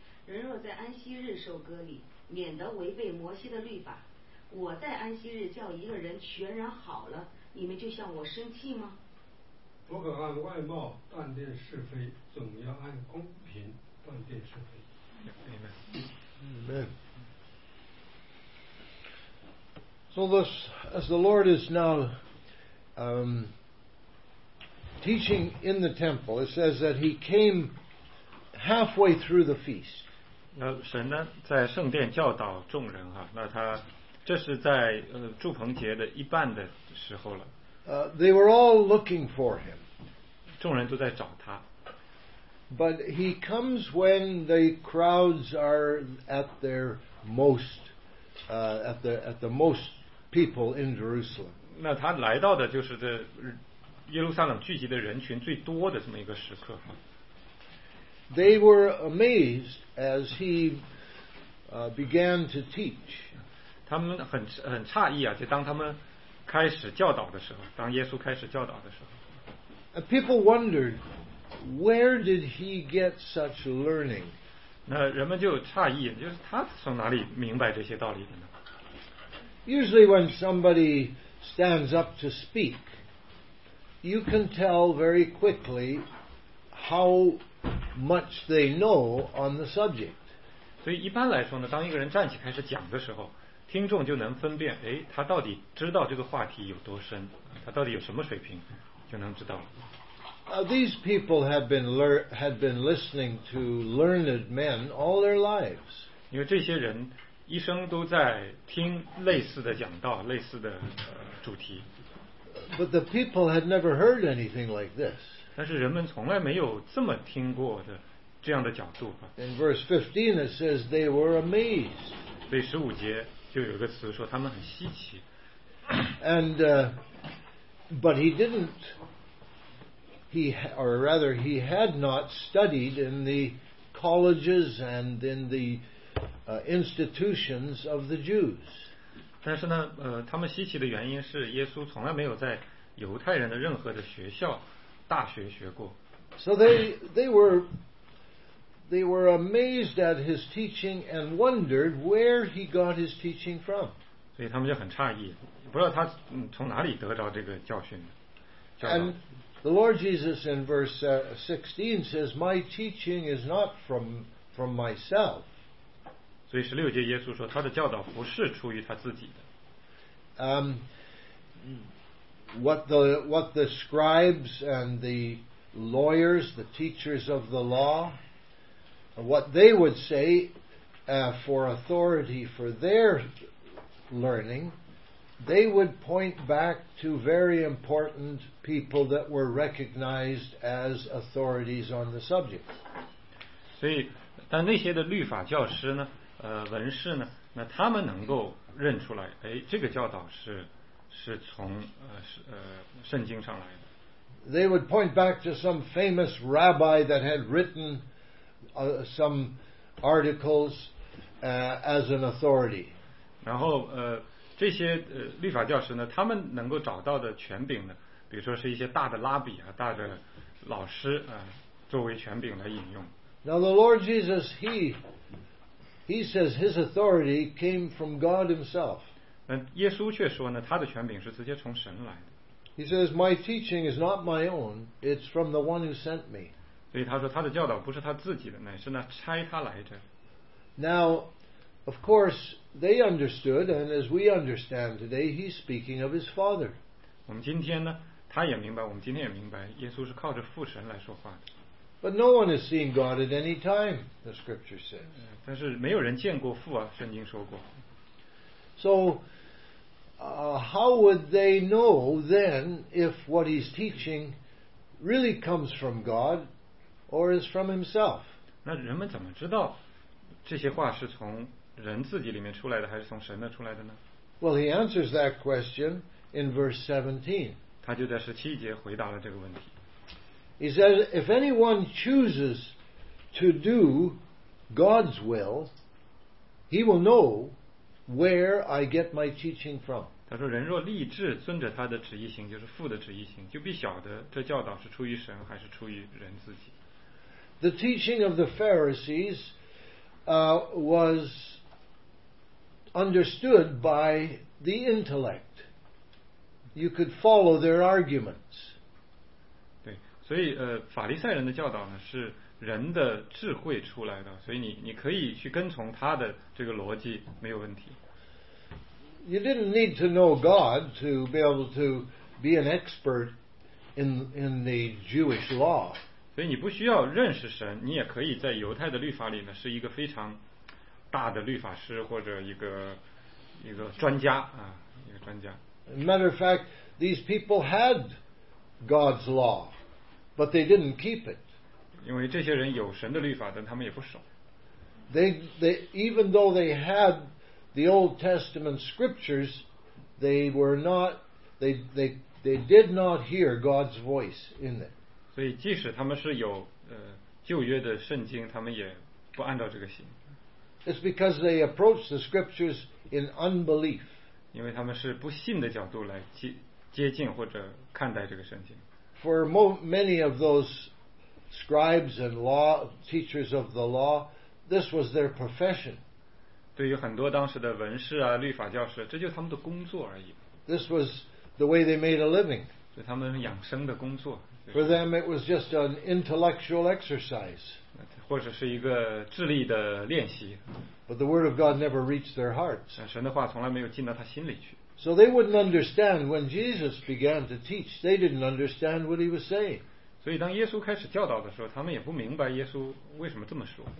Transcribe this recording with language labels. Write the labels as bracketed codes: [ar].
[zh] 人若在安息日受割礼，免得违背摩西的律法。我在安息日叫一个人全然好了，你们就向我生气吗？不可按外貌断定是非，总要按公平断定是非。 [en] Amen. So thus, as the Lord is now teaching in the temple, it says that he came halfway through the feast. [zh] 那神呢在圣殿教导众人啊，那他这是在祝棚节的一半的时候了。 [en] They were all looking for him. [zh] 众人都在找他。 [en] But he comes when the crowds are at their most, at the most people in Jerusalem. [zh] 那他来到的就是这耶路撒冷聚集的人群最多的这么一个时刻。 [en] They were amazed as he began to teach. [zh] 他们很诧异啊，就当他们开始教导的时候，当耶稣开始教导的时候。 [en] people wondered, where did he get such learning? [zh] 那人们就诧异，就是他从哪里明白这些道理的呢？ [en] Usually when somebody stands up to speak, you can tell very quickly how much they know on the subject. [zh] 所以一般来说呢，当一个人站起开始讲的时候，听众就能分辨，哎，他到底知道这个话题有多深，他到底有什么水平，就能知道了。 [en] These people had been listening to learned men all their lives. [zh] 因为这些人一生都在听类似的讲道，类似的主题。 [en] But the people had never heard anything like this. [zh] 但是人们从来没有这么听过的这样的角度。 [en] In verse 15 it says they were amazed. [zh] 所以十五节就有个词说他们很稀奇。 [en] And but he didn't. He had not studied in the colleges and in the institutions of the Jews. [zh] 但是呢，他们稀奇的原因是耶稣从来没有在犹太人的任何的学校、大学学过。 [en] So they were amazed at his teaching and wondered where he got his teaching from. [zh] 所以他们就很诧异，不知道他从哪里得到这个教训的。 [en] The Lord Jesus in verse 16 says, "My teaching is not from myself." [zh] 所以十六节耶稣说，他的教导不是出于他自己的。 [en] What the scribes and the lawyers, the teachers of the law, what they would say for authority for their learning. They would point back to very important people that were recognized as authorities on the subject. [zh] 所以，但那些的律法教师呢，文士呢，那他们能够认出来，哎，这个教导是从圣经上来的。 [en] They would point back to some famous rabbi that had written some articles as an authority. [zh] 然后这些律法教师呢，他们能够找到的权柄呢，比如说是一些大的拉比啊，大的老师啊，作为权柄来引用。 [en] Now the Lord Jesus, he says his authority came from God himself. [zh] 耶稣却说呢，他的权柄是直接从神来的。 [en] He says, my teaching is not my own, it's from the one who sent me. [zh] 所以他说他的教导不是他自己的，乃是那差他来的。 [en] Now,Of course, they understood, and as we understand today, he's speaking of his Father. [zh] 我们今天呢，他也明白，我们今天也明白，耶稣是靠着父神来说话的。 [en] But no one has seen God at any time, the Scripture says. [zh] 但是没有人见过父啊，圣经说过。 [en] So, how would they know then if what he's teaching really comes from God or is from himself? [zh] 那人们怎么知道这些话是从人自己里面出来的还是从神的出来的呢？ [en] Well, he answers that question in verse 17. [zh] 他就在十七节回答了这个问题。 [en] He says, if anyone chooses to do God's will, he will know where I get my teaching from. [zh] 他说人若立志遵着他的旨意行，就是父的旨意行，就必晓得这教导是出于神还是出于人自己。 [en] The teaching of the Pharisees was... understood by the intellect. You could follow their arguments. [zh] 对，所以法利赛人的教导呢是人的智慧出来的，所以你可以去跟从他的这个逻辑，没有问题。 [en] You didn't need to know God to be able to be an expert in the Jewish law. [zh] 所以你不需要认识神，你也可以在犹太的律法里呢是一个非常大的律法师或者一个专家啊，一个专家。 [en] Matter of fact, these people had God's law, but they didn't keep it. [zh] 因为这些人有神的律法，但他们也不守。 [en] They even though they had the Old Testament scriptures, they did not hear God's voice in it. [zh] 所以即使他们是有旧约的圣经，他们也不按照这个行。 [en] It's because they approach the scriptures in unbelief. [zh] 因为他们是不信的角度来接近或者看待这个圣经。 [en] for many of those scribes and law teachers of the law, this was their profession. [zh] 对于很多当时的文士啊、律法教师，这就是他们的工作而已。 [en] This was the way they made a living. [zh] 是他们养生的工作。 [en] For them, it was just an intellectual exercise. [zh] 或者是一个智力的练习。 [en] But the word of God never reached their hearts. [zh] 神的话从来没有进到他心里去。 [en] So they wouldn't understand when Jesus began to teach. They didn't understand what he was saying. [zh] 所以当耶稣开始教导的时候，他们也不明白耶稣为什么这么说。